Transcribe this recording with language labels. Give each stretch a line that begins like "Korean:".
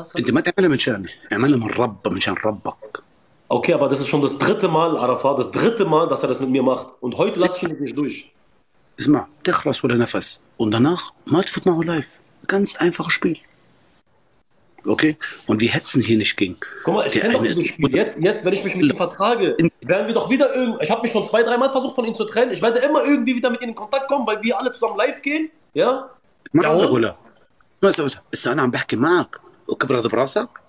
Arabic: أنت ما تعملها من شاني، اعملها من رب من شان ربك.
German: Okay, aber das ist schon das dritte Mal, Arafat, das dritte Mal, dass er das mit mir macht. Und heute lasse ich ihn nicht durch.
Arabic: اسمع تخرس ولا نفس
German: und danach
Arabic: ما تفوت معه live.
German: Ganz einfaches Spiel. Okay? Und wir hetzen hier nicht gegen. Guck mal, ich Der kenne doch eine dieses ist Spiel. Jetzt, wenn ich mich mit ihm vertrage, werden wir doch wieder irgendwie. Ich habe mich schon 2, 3 Mal versucht, von ihm zu trennen. Ich werde immer irgendwie wieder mit ihm in Kontakt kommen, weil wir alle zusammen live gehen. Ja? Ja
Arabic: ماذا
German: und?
Arabic: ولا؟ بس انا عم بحكي معك وكبرت براسك